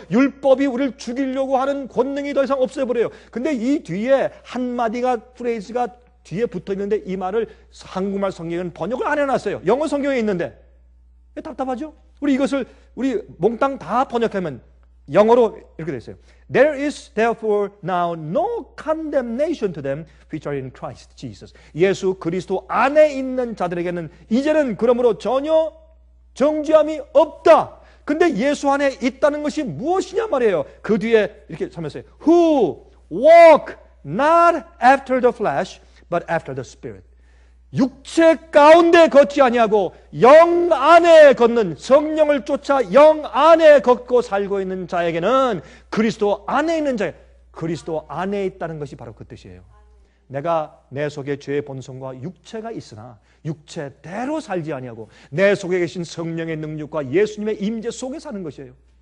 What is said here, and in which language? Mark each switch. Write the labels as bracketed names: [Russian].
[Korean] 율법이 우리를 죽이려고 하는 권능이 더 이상 없어버려요. 근데 이 뒤에 한마디가 프레이즈가 뒤에 붙어 있는데 이 말을 한국말 성경은 번역을 안 해놨어요. 영어 성경에 있는데 답답하죠? 우리 이것을 우리 몽땅 다 번역하면 영어로 이렇게 되어 있어요. [English] There is therefore now no condemnation to them which are in Christ Jesus. [Korean] 예수 그리스도 안에 있는 자들에게는 이제는 그러므로 전혀 정죄함이 없다. 근데 예수 안에 있다는 것이 무엇이냐 말이에요. 그 뒤에 이렇게 설명해요. [English] Who walk not after the flesh but after the spirit. [Korean] 육체 가운데 걷지 아니하고 영 안에 걷는 성령을 쫓아 영 안에 걷고 살고 있는 자에게는 그리스도 안에 있는 자에게 그리스도 안에 있다는 것이 바로 그 뜻이에요. 내가 내 속에 죄의 본성과 육체가 있으나 육체대로 살지 아니하고 내 속에 계신 성령의 능력과 예수님의 임재 속에 사는 것이에요.